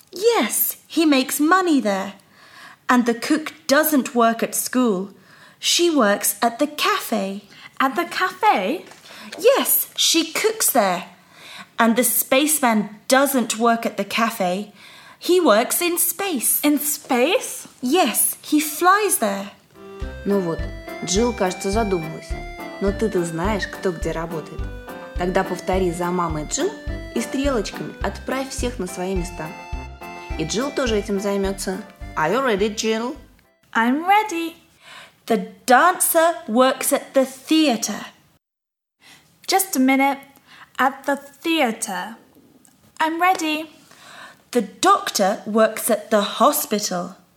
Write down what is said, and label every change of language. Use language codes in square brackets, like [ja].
[en] Yes, he makes money there. And the cook doesn't work at school. She works at the cafe. At the cafe? Yes, she cooks there. And the spaceman doesn't work at the cafe. He works in space. In space? Yes, he flies there. [ru] Ну вот, Джилл, кажется, задумалась. Но ты-то знаешь, кто где работает. Тогда повтори за мамой Джилл и стрелочками отправь всех на свои места. И Джилл тоже этим займется. [en] Are you ready, Jill? I'm ready. The dancer works at the theater. Just a minute. At the theater. I'm ready. The doctor works at the hospital.